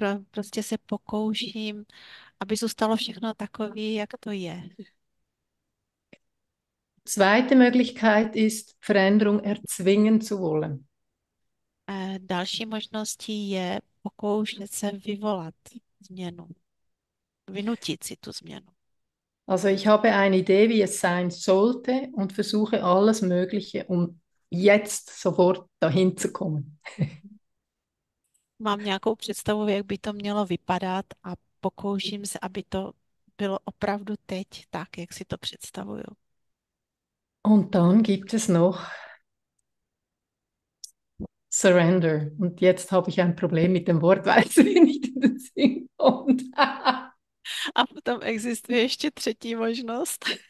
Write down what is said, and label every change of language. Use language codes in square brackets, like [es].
[cs] Prostě se pokouším, aby zůstalo všechno takové, jak to je. [de] Zweite Möglichkeit ist, Veränderung erzwingen zu wollen. [cs] Další možností je pokoušet se vyvolat změnu, vynutit si tu změnu. [de] Also ich habe eine Idee, wie es sein sollte und versuche alles Mögliche, um jetzt sofort dahin zu kommen. [cs] Mám nějakou představu, jak by to mělo vypadat a pokouším se, aby to bylo opravdu teď tak, jak si to představuju. [de] Und dann gibt es noch Surrender. Und jetzt habe ich ein Problem mit dem Wort, weil es mir nicht in den Sinn kommt. [cs] A potom existuje ještě 3. možnost.